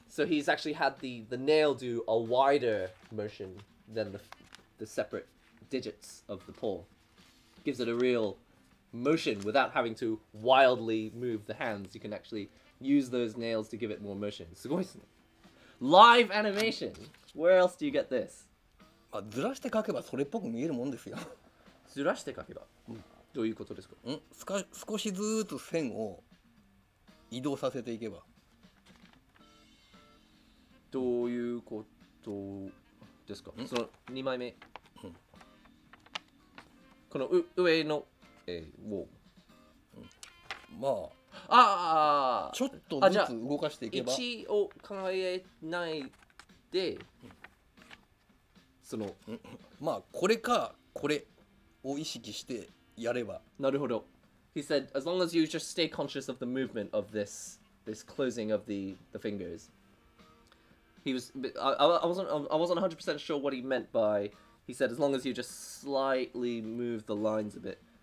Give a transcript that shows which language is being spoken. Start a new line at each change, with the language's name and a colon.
English: So he's actually had the nail do a wider motion than the separate digits of the paw. Gives it a real motion without having to wildly move the hands. You can actually use those nails to give it more motion.
Japanese: Sugoi desu ne.
English: Live animation. Where else do you get this?
Japanese: あ、ずらして描けばそれっぽく見えるもんですよ。ずらして描けば。どういうことですか？ん、少しずっと線を移動させていけば。どういうことですか？その2枚目。この上の、を。まあ。ああちょっとずつ動かしていけば位置を変えないで、うん、そのまあこれかこれを意識してやればなるほど
English: He said as long as you just stay conscious of the movement of this closing of the fingers He was I wasn't 100% sure what he meant by He said as long as you just slightly move the lines a bit